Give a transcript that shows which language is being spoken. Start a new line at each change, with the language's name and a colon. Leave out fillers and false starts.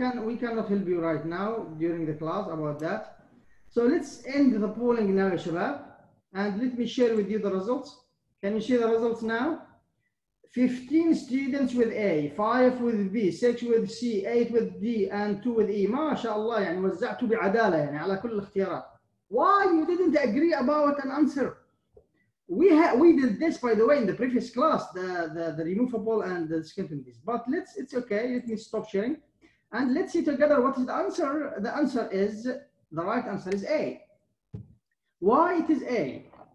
English: We cannot help you right now during the class about that. So let's end the polling now, Shabab. And let me share with you the results. Can you see the results now? 15 students with A, 5 with B, 6 with C, 8 with D, and 2 with E.
Arabic: MashaAllah, يعني وزعته بعدالة يعني على كل الاختيارات.
English: Why you didn't agree about an answer? We did this, by the way, in the previous class, the removable and the discontinuities. But it's okay, let me stop sharing. And let's see together what is the answer. The answer is, the right answer is A. Why it is A?